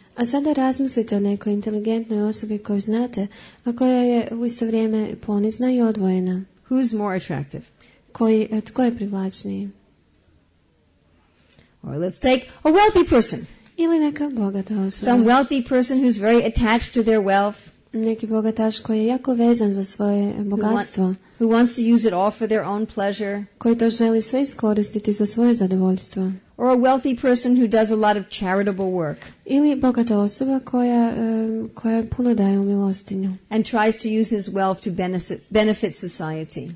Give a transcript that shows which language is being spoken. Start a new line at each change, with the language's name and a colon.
Croatian: A sada razmislite o nekoj inteligentnoj osobi koju znate, a koja je u isto vrijeme ponizna i odvojena.
English: Who's more attractive?
Croatian: Tko je privlačniji?
English: Or let's take a wealthy person.
Croatian: Ili neka bogata osoba.
English: Some wealthy person who's very attached to their wealth.
Croatian: Neki bogataš koji je jako vezan za svoje bogatstvo.
English: Who wants to use it all for their own pleasure.
Croatian: Koji to želi sve iskoristiti za svoje zadovoljstvo.
English: Or a wealthy person who does a lot of charitable work.
Croatian: Ili bogata osoba koja puno daje u milostinju.
English: And tries to use his wealth to benefit society.